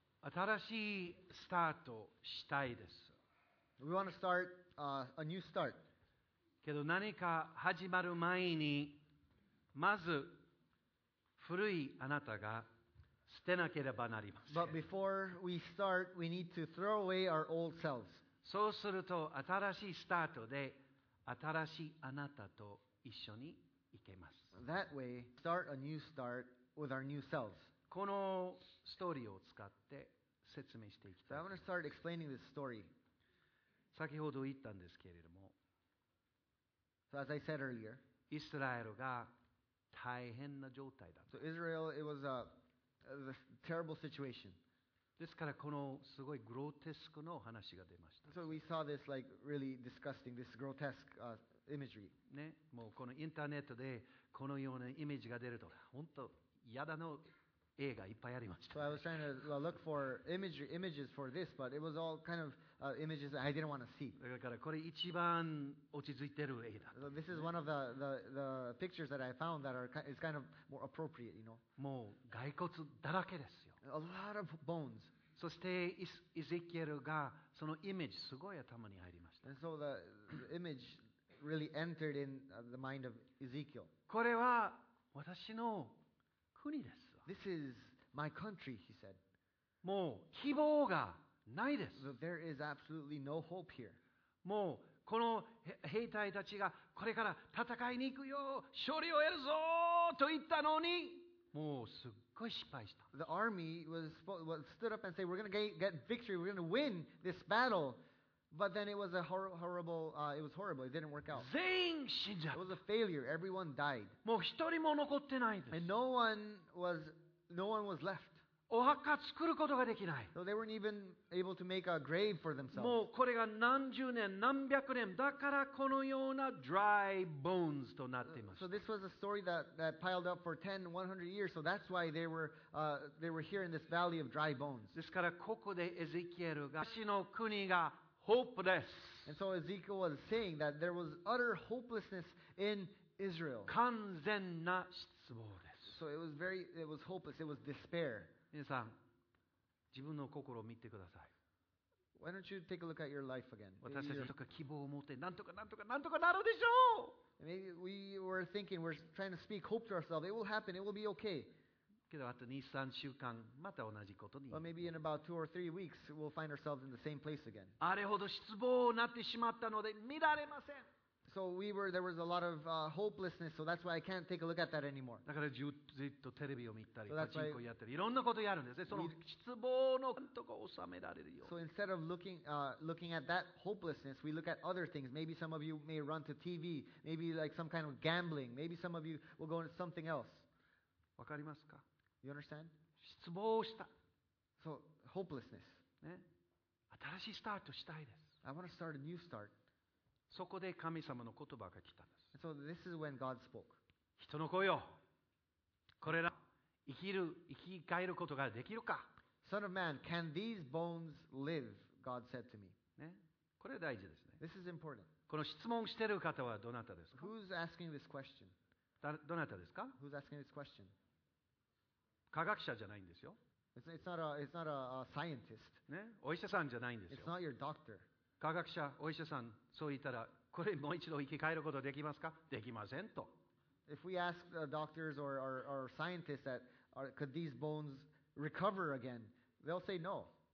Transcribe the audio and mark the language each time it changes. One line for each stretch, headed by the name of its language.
Japanese: 新しいスタートしたいです。
English: We want to start, a new start.
Japanese: けど何か始まる前に、まず古いあなたが捨てなければなりません。
English: But before we start, we need to throw away our old selves.
Japanese: そうすると新しいスタートで新しいあなたと一緒に行けます。
English: That way, start a new start with our new selves.
Japanese: このストーリーを使って説明していきたい。
English: So、I want to start explaining this story.
Japanese: 先ほど言ったんですけれども、
English: So as I said earlier,
Japanese: イスラエルが大変な状態だった。
English: So Israel, it was a terrible situation.
Japanese: ですからこのすごいグロテスクの話が出ました。
English: So we saw this like really disgusting, this grotesque imagery.
Japanese: ね、もうこのインターネットでこのようなイメージが出ると本当嫌だの。映画いっぱいありました。
English: So I was trying to look for images for this, but it was all kind of images that I didn't want to see.
Japanese: だからこれ一番落ち着いてる映画。
English: So、this is one of the pictures that I found that are is kind of more appropriate, you know.
Japanese: もう骸骨だらけですよ。
English: A lot of bones.
Japanese: そしてイゼキエルがそのイメージすごい頭に入りました。
English: And so the image really entered in the mind of Ezekiel.
Japanese: これは私の国です。
English: This is my country, he said.
Japanese: もう希望がないです。
English: There is absolutely no hope here.
Japanese: もうこの兵隊たちがこれから戦いに行くよ、勝利を得るぞと言ったのに、もうすっごい失敗した。
English: The army was stood up and said, "We're going to get victory. We're going to win this battle." But then it was a horrible. It was horrible. It didn't work out.
Japanese: 全員死んじゃった。
English: It was a failure. Everyone died.
Japanese: もう一人も残ってないです。
English: And no one was left.
Japanese: お墓作ることができない。
English: So they weren't even able to make a grave for themselves.
Japanese: もうこれが何十年、何百年だからこのような
English: dry bones
Japanese: となっています。
English: So this was a story that piled up for 10, 100 years. So that's why they were here in this valley of dry bones.
Japanese: ですからここでエゼキエルが私の国がHopeless.
English: And so Ezekiel was saying that there was utter hopelessness in Israel.
Japanese: 完全な失望です。
English: So it was hopeless, it was despair.
Japanese: 皆さん、自分の心を見てください。
English: Why don't you take a look at your life again?
Japanese: 私たちとか希望を持って、なんとかなんとかなんとかなるでしょう。
English: Maybe we were thinking, we're trying to speak hope to ourselves. It will happen, it will be okay.
Japanese: けどあと2、3週間また同じことに。
English: Well, maybe in about two or three weeks, we'll find ourselves in the same place again.
Japanese: あれほど失望になってしまったので見られません。
English: So there was a lot of hopelessness, so that's why I can't take a look at that anymore.
Japanese: だからずっとテレビを見たり、パチンコやったり、いろんなことやるんですね。その失望のなんとか収められるよ。
English: So instead of looking at that hopelessness, we look at other things. Maybe some of you may run to TV, maybe like some kind of gambling, maybe some of you will go into something else.
Japanese: わかりますか？
English: You understand?
Japanese: 失望した。
English: So, hopelessness.
Japanese: ね。新しいスタートしたいです。
English: I want to start a new start.
Japanese: そこで神様の言葉が来たんです。
English: And so, this is when God spoke.
Japanese: 人の子よ。これら、生き返ることができるか。
English: Son of man, can these bones live? God said to me.
Japanese: ね。これは大事ですね。
English: This is important.
Japanese: この質問してる方はどなたですか?
English: Who's asking this question?
Japanese: どなたですか?
English: Who's asking this question?
Japanese: 科学者じゃないんですよ。
English: It's not a scientist.
Japanese: ね、お医者さんじゃないんですよ。
English: It's not your doctor.
Japanese: 科学者、お医者さん、そう言ったら、これもう一度生き返ることできますか？できませんと。
English: If we ask the doctors or scientists that could these bones recover again, they'll say no.